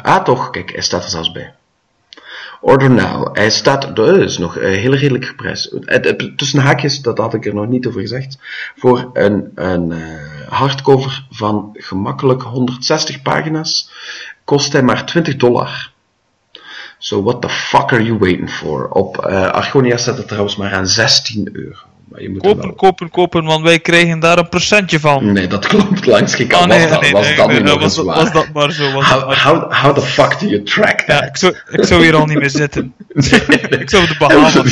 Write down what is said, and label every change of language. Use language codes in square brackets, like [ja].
[nl] Ah toch, kijk, hij staat er zelfs bij. [en] Order now. [nl] Hij staat, dat is nog heel redelijk geprijsd. Tussen haakjes, dat had ik er nog niet over gezegd. Voor een hardcover van gemakkelijk 160 pagina's kost hij maar $20. [en] So what the fuck are you waiting for? [nl] Op Argonia staat het trouwens maar aan €16. Maar je moet kopen, wel... kopen, want wij krijgen daar een percentje van. Nee, dat klopt langs. Ik kan wel dat. Was dat nu nog eens waar? Was dat maar zo. [en] How the fuck do you track that? [nl] Ja, ik zou hier al niet meer zitten. Nee. Ik zou de Bahamas.